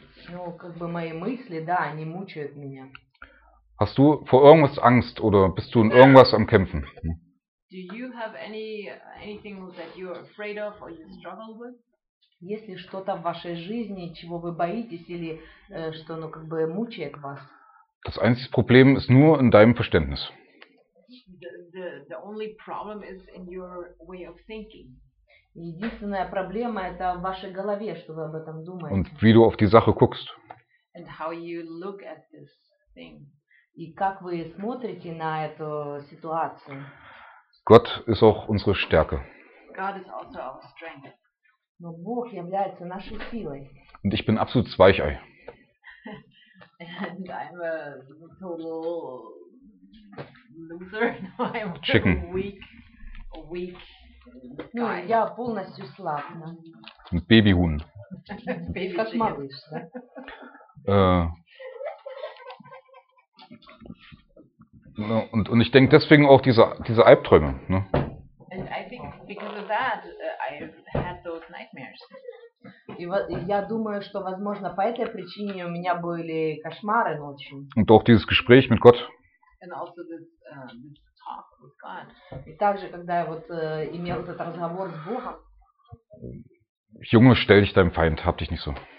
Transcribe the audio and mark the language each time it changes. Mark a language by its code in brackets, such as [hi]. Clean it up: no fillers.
[ru] Ну, как бы мои мысли, да, они мучают меня. [de] Hast du vor irgendwas Angst oder bist du in irgendwas am Kämpfen? [en] Do you have anything that you're afraid of or you struggle with? [ru] Если что-то в вашей жизни, чего вы боитесь или что, ну, как бы мучает вас. [de] Das einzige Problem ist nur in deinem Verständnis. [en] The only problem is in your way of thinking. [ru] Единственная проблема это в вашей голове, что вы об этом думаете. [de] Und wie du auf die Sache guckst. [en] And how you look at this thing. [ru] И как вы смотрите на эту ситуацию? [de] Gott ist auch unsere Stärke. [en] God is also our strength. [ru] Но Бог является нашей силой. [de] Und ich bin absolut Weichei. [en] And I'm a total loser. No, I'm Chicken. A weak. [ru] Ну, я полностью слаб. Бэби-хун. Как малыш, да? [de] Und ich denke deswegen auch diese Albträume, ne? [en] And I think because of that I had those nightmares. [ru] Я думаю, что возможно по этой причине у меня были кошмары ночью. [de] Und auch dieses Gespräch mit Gott. [en] And also this talk with God. [ru] И также когда я вот имел этот разговор с Богом. [de] Junge, stell dich deinem Feind, hab dich nicht so.